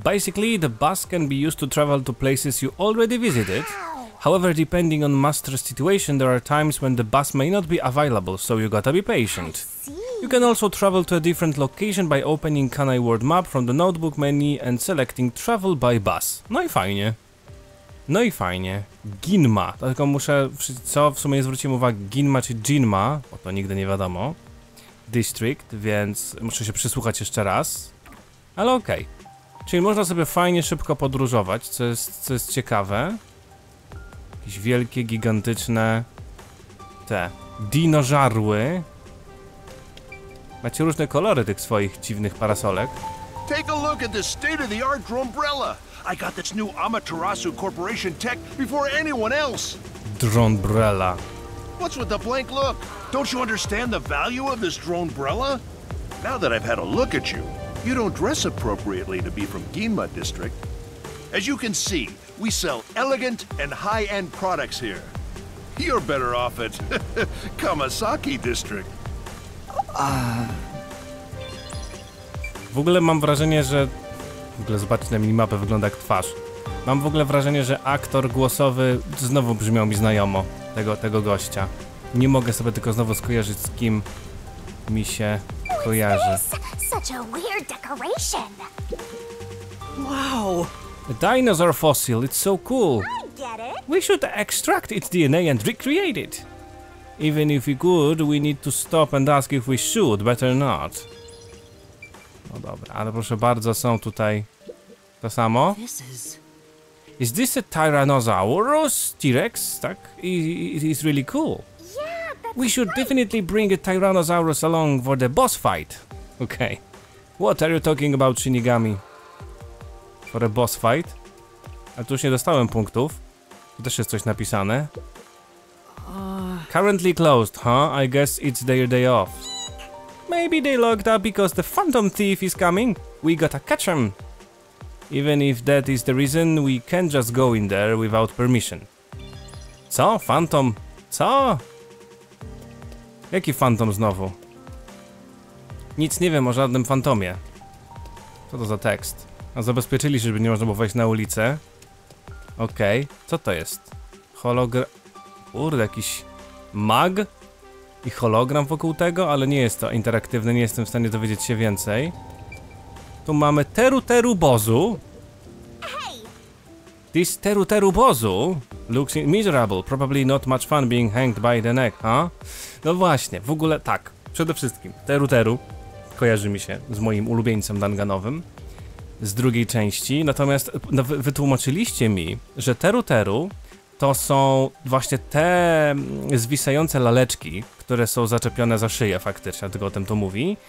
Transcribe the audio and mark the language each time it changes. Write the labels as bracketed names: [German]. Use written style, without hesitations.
[English] Basically, the bus can be used to travel to places you already visited. However, depending on Master's situation, there are times when the bus may not be available, so you gotta be patient. You can also travel to a different location by opening Kanai World Map from the notebook menu and selecting Travel by Bus. [Polish] No i fajnie. No i fajnie. Ginma. Tylko muszę, co w sumie zwróciłem uwagę, Ginma czy Jinma, bo to nigdy nie wiadomo. District, więc muszę się przysłuchać jeszcze raz. Ale okej. Okay. Czyli można sobie fajnie szybko podróżować, co jest ciekawe. Jakieś wielkie, gigantyczne te dinożarły. Macie różne kolory tych swoich dziwnych parasolek. [English] Take a look at this state-of-the-art drone-brella. I got this new Amaterasu Corporation tech before anyone else. Drone-brella. What's with the blank look? Don't you understand the value of this drone-brella? Now that I've had a look at you, you don't dress appropriately to be from Gima District. As you can see, we sell elegant and high-end products here. You're better off at Kamisaki District. [Polish] W ogóle mam wrażenie, że... W ogóle zobaczcie na minimapę, wygląda jak twarz. Mam w ogóle wrażenie, że aktor głosowy znowu brzmiał mi znajomo. Tego gościa. Nie mogę sobie tylko znowu skojarzyć z kim mi się kojarzy. [English] Such a weird decoration. Wow! A dinosaur fossil, it's so cool. I get it. We should extract its DNA and recreate it. Even if we could, we need to stop and ask if we should, better not. [Polish] No dobra, ale proszę bardzo, są tutaj to samo. [English] Is this a Tyrannosaurus T-Rex? Tak? It's really cool. We should definitely bring a Tyrannosaurus along for the boss fight. Okay. What are you talking about, Shinigami? For a boss fight? [Polish] Ale tu już nie dostałem punktów. Tu też jest coś napisane. [English] Currently closed, huh? I guess it's their day off. Maybe they locked up because the phantom thief is coming. We gotta catch him. Even if that is the reason, we can't just go in there without permission. [Polish] Co? Phantom? Co? Jaki phantom znowu? Nic nie wiem o żadnym fantomie. Co to za tekst? A zabezpieczyli się, żeby nie można było wejść na ulicę. Okej, okay. Co to jest? Kurde, jakiś mag i hologram wokół tego, ale nie jest to interaktywne, nie jestem w stanie dowiedzieć się więcej. Tu mamy Teru Bozu. [English] This Teru Bozu looks miserable, probably not much fun being hanged by the neck, huh? [Polish] No właśnie, w ogóle tak, przede wszystkim Teru kojarzy mi się z moim ulubieńcem danganowym z drugiej części, natomiast no, wytłumaczyliście mi, że Teru to są właśnie te zwisające laleczki, które są zaczepione za szyję faktycznie, tylko o tym to mówi.